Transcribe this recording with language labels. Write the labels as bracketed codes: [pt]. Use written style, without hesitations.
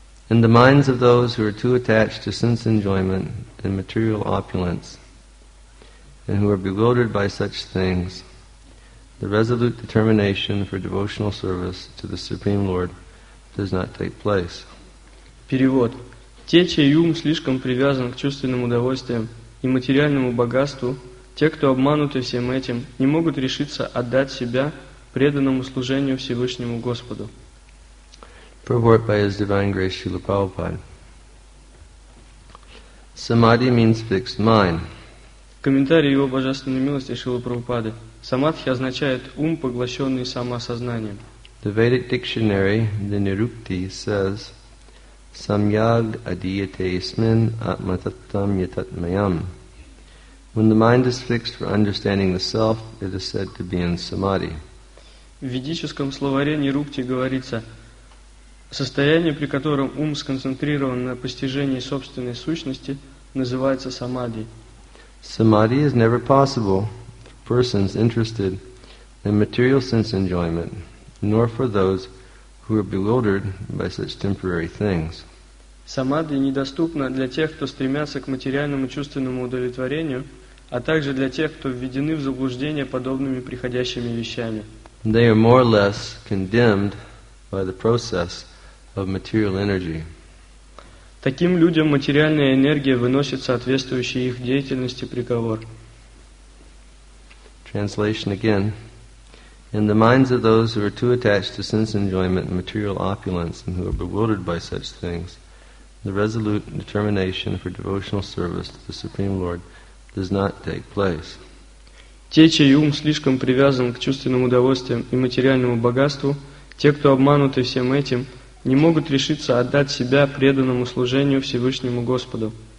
[en] In the minds of those who are too attached to sense enjoyment and material opulence, and who are bewildered by such things, the resolute determination for devotional service to the Supreme Lord does not take place. [ru] Перевод. Те, чей ум слишком привязан к чувственным удовольствиям и материальному богатству, те, кто обмануты всем этим, не могут решиться отдать себя преданному служению Всевышнему Господу. [en] Purport by His Divine Grace Srila Prabhupada. Samadhi means fixed mind. [ru] Комментарий Его Божественной Милости Шрилы Прабхупады. Самадхи означает ум, поглощенный самоосознанием. [en] The Vedic Dictionary, the Nirukti, says, [sa] Samyag adiyate ismin atmatattam yatatmayam. [en] When the mind is fixed for understanding the self, it is said to be in Samadhi. [ru] В ведическом словаре Нирукти говорится, состояние, при котором ум сконцентрирован на постижении собственной сущности, называется Самадхи. [en] Samadhi is never possible for persons interested in material sense enjoyment, nor for those who are bewildered by such temporary things. [ru] Самадхи недоступна для тех, кто стремятся к материальному чувственному удовлетворению, а также для тех, кто введены в заблуждение подобными приходящими вещами. [en] They are more or less condemned by the process of material energy. [ru] Таким людям материальная энергия выносит соответствующий их деятельности приговор. [en] Translation again. In the minds of those who are too attached to sense enjoyment and material opulence and who are bewildered by such things, the resolute determination for devotional service to the Supreme Lord does not take place. [ru] Те, чей ум слишком привязан к чувственным удовольствиям и материальному богатству, те, кто обмануты всем этим, не могут решиться отдать себя преданному служению Всевышнему Господу.